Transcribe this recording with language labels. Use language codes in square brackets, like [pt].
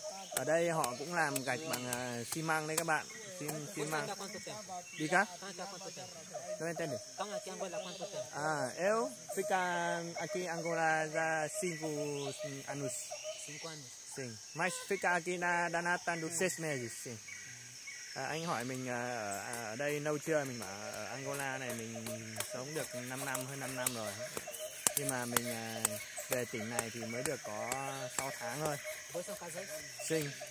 [vi] Ở đây họ cũng làm gạch bằng xi măng đấy các bạn. Xi măng. Đi cá. Các bạn tên gì? [pt] À, eu fica aqui em Angola já 5 anos. 5 anos. Sim. Mas fica aqui na Danata dos 6 meses. Sim. [vi] À, anh hỏi mình ở đây lâu chưa? Mình bảo ở Angola này mình sống được 5 năm, hơn 5 năm rồi. Nhưng mà mình về tỉnh này thì mới được có 6 tháng thôi. Với sao cái sinh.